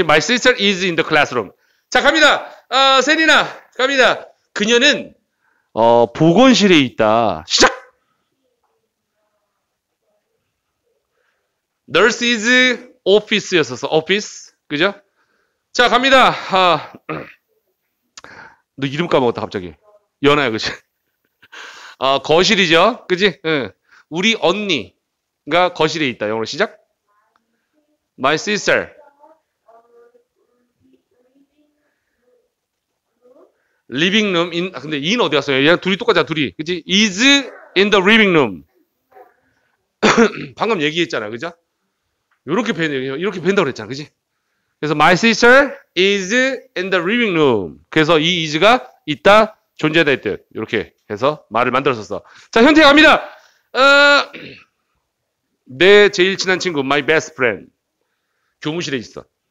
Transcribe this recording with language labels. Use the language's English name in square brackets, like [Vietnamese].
[English] My sister is in the classroom. [Korean] 자, 갑니다. 세리나, 갑니다. 그녀는 보건실에 있다. 시작. [English] Nurse is office였었어. [Korean] Office. 그죠? 자, 갑니다. 너 이름 까먹었다, 갑자기. 연아야, 그지? 거실이죠. 그지? 응. 우리 언니가 거실에 있다. 영어로 시작. [English] My sister. Living room. [Korean] In, 근데 in 어디 갔어요? 얘 둘이 똑같잖아, 둘이. 그지? [English] Is in the living room. [Korean] 방금 얘기했잖아, 그죠? 이렇게 밴다고 이렇게 그랬잖아, 그지? 그래서 [English] my sister is in the living room. [Korean] 그래서 이 is가 있다, 존재한다 했대. 이렇게 해서 말을 만들었었어. 자, 현태 갑니다. 내 제일 친한 친구, [English] my best friend. [Korean] 교무실에 있어.